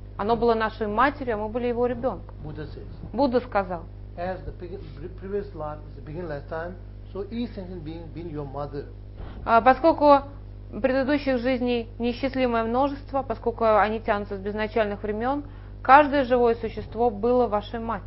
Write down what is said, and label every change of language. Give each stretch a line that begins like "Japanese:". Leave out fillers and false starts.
Russian: Оно было нашей матерью, а мы были его ребенком. Будда сказал.
English: As the previous life is the beginningless time, so each sentient being been your mother.
Russian: Поскольку предыдущих жизней неисчислимое множество, поскольку они тянутся с безначальных времен, каждое живое существо было вашей